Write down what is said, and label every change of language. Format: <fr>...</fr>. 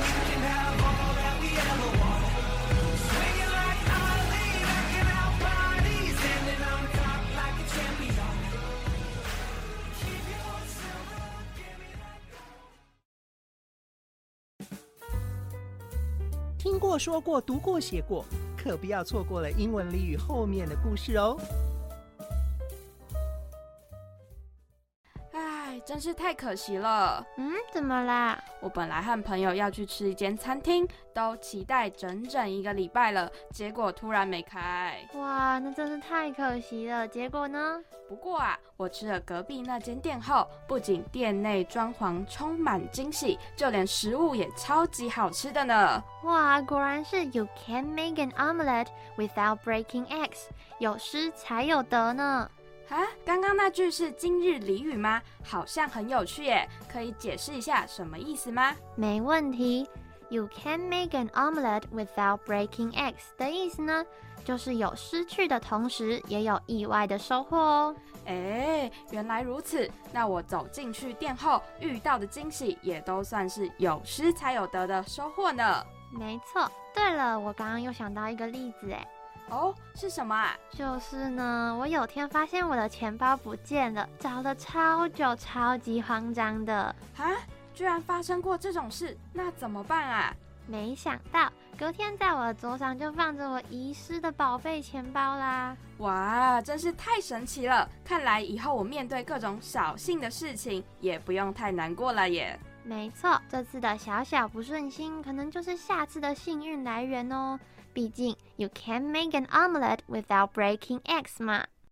<en>We can have all that we ever want. Swinging like Ali, backing out bodies, standing on top like a champion. Keep your silver, give me that gold.</en> <zh>听过说过读过写过，可不要错过了英文俚语后面的故事哦。真是太可惜了。嗯，怎么啦？我本来和朋友要去吃一间餐厅，都期待整整一个礼拜了，结果突然没开。哇，那真是太可惜了。结果呢？不过啊，我吃了隔壁那间店后，不仅店内装潢充满惊喜，就连食物也超级好吃的呢。哇，果然是</zh> <en>You can't make an omelette without breaking eggs，</en> <zh>有失才有得呢。啊，刚刚那句是今日俚语吗？好像很有趣耶，可以解释一下什么意思吗？没问题。</zh> <en>You can't make an omelette without breaking eggs</en> <zh>的意思呢，就是有失去的同时也有意外的收获哦。哎，原来如此，那我走进去店后遇到的惊喜也都算是有失才有得的收获呢。没错。对了，我刚刚又想到一个例子耶。哦，是什么啊？就是呢，我有天发现我的钱包不见了，找了超久，超级慌张的。啊，居然发生过这种事，那怎么办啊？没想到，隔天在我的桌上就放着我遗失的宝贝钱包啦。哇，真是太神奇了，看来以后我面对各种扫兴的事情，也不用太难过了耶。没错，这次的小小不顺心，可能就是下次的幸运来源哦。毕竟</zh> <en>You can't make an omelette without breaking eggs</en> <zh>嘛。</zh>